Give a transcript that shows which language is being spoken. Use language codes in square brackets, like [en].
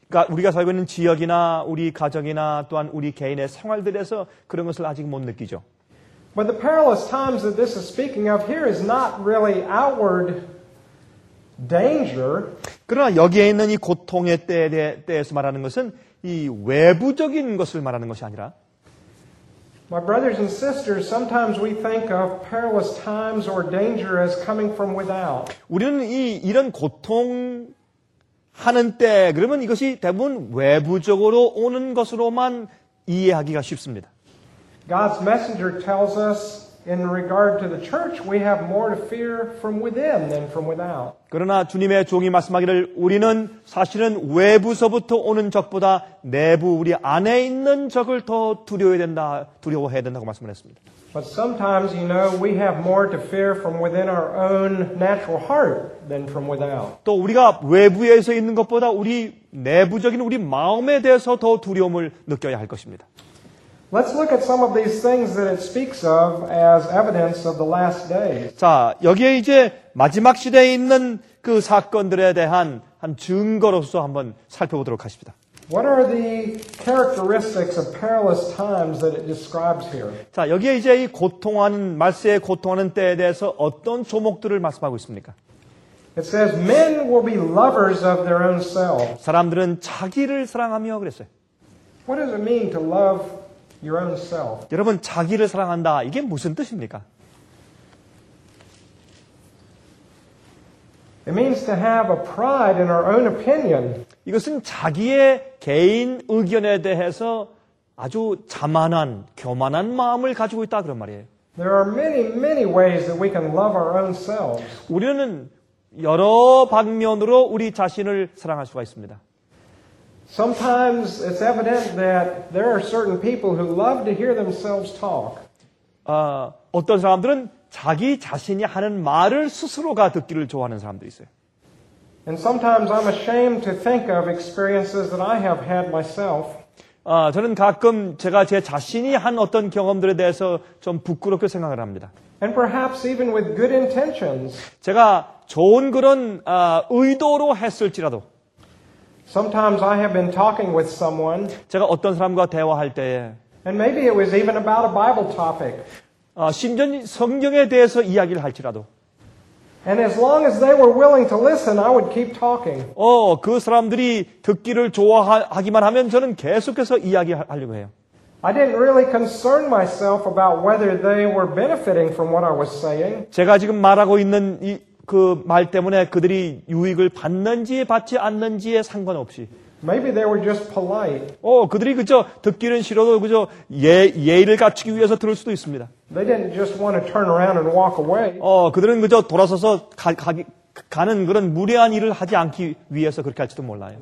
[ko] 우리가 살고 있는 지역이나 우리 가정이나 또한 우리 개인의 생활들에서 그런 것을 아직 못 느끼죠. [en] But the perilous times that this is speaking of here is not really outward danger. [ko] 그러나 여기에 있는 이 고통의 때에 대해서 말하는 것은 이 외부적인 것을 말하는 것이 아니라 [en] My brothers and sisters, sometimes we think of perilous times or danger as coming from without. [ko] 우리는 이런 고통 하는 때 그러면 이것이 대부분 외부적으로 오는 것으로만 이해하기가 쉽습니다. [en] God's messenger tells us in regard to the church we have more to fear from within than from without. [ko] 그러나 주님의 종이 말씀하기를 우리는 사실은 외부서부터 오는 적보다 내부 우리 안에 있는 적을 더 두려워해야 된다고 말씀을 했습니다. [en] But sometimes you know we have more to fear from within our own natural heart than from without. [ko] 또 우리가 외부에서 있는 것보다 우리 내부적인 우리 마음에 대해서 더 두려움을 느껴야 할 것입니다. [en] Let's look at some of these things that it speaks of as evidence of the last days. [ko] 자, 여기에 이제 마지막 시대에 있는 그 사건들에 대한 한 증거로서 한번 살펴보도록 하십니다. [en] What are the characteristics of perilous times that it describes here? [ko] 자, 여기에 이제 이 고통하는 말세에 고통하는 때에 대해서 어떤 조목들을 말씀하고 있습니까? [en] It says men will be lovers of their own self. [ko] 사람들은 자기를 사랑하며 그랬어요. [en] What does it mean to love your own self? [ko] 여러분 자기를 사랑한다. 이게 무슨 뜻입니까? [en] It means to have a pride in our own opinion. [ko] 이것은 자기의 개인 의견에 대해서 아주 자만한, 교만한 마음을 가지고 있다 그런 말이에요. [en] There are many, many ways that we can love our own selves. [ko] 우리는 여러 방면으로 우리 자신을 사랑할 수가 있습니다. [en] Sometimes it's evident that there are certain people who love to hear themselves talk. [ko] 어떤 사람들은 자기 자신이 하는 말을 스스로가 듣기를 좋아하는 사람도 있어요. [en] And sometimes I'm ashamed to think of experiences that I have had myself. [ko] 저는 가끔 제가 제 자신이 한 어떤 경험들에 대해서 좀 부끄럽게 생각을 합니다. [en] And perhaps even with good intentions. [ko] 제가 좋은 그런 의도로 했을지라도. [en] Sometimes I have been talking with someone. [ko] 제가 어떤 사람과 대화할 때에. [en] And maybe it was even about a Bible topic. [ko] 심지어 성경에 대해서 이야기를 할지라도. [en] And as long as they were willing to listen, I would keep talking. [ko] 그 사람들이 듣기를 좋아하기만 하면 저는 계속해서 이야기하려고 해요. [en] I didn't really concern myself about whether they were benefiting from what I was saying. [ko] 제가 지금 말하고 있는 이 그 말 때문에 그들이 유익을 받는지 받지 않는지에 상관없이. [en] Maybe they were just polite. [ko] 그들이 그저 듣기는 싫어도 그저 예의를 갖추기 위해서 들을 수도 있습니다. [en] They didn't just want to turn around and walk away. [ko] 그들은 그저 돌아서서 가는 그런 무례한 일을 하지 않기 위해서 그렇게 할지도 몰라요.